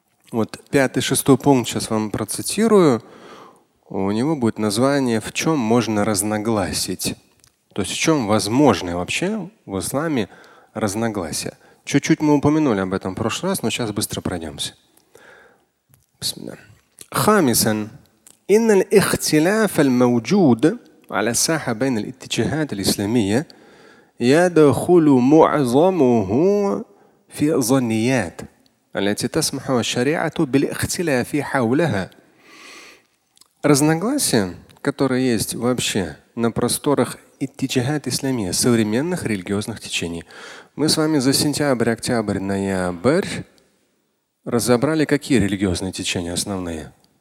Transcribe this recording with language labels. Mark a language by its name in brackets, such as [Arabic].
[Russian] Вот 5-й, 6-й пункт сейчас вам процитирую. У него будет название «В чем можно разногласить?». То есть в чем возможны вообще в исламе разногласия? Чуть-чуть мы упомянули об этом в прошлый раз, но сейчас быстро пройдемся. [Arabic] Бисмилля. Хамисан. إن الاختلاف الموجود على الساحة بين الاتجاهات الإسلامية يدخل معظمه في الظنيات التي تسمح الشريعة بالاختلاف حولها. [Russian] Разногласия, которые есть вообще на просторах [Arabic] اتجاهات الإسلامية, [Russian] современных религиозных течений, Мы с вами за сентябрь, октябрь, ноябрь разобрали, какие религиозные течения основные.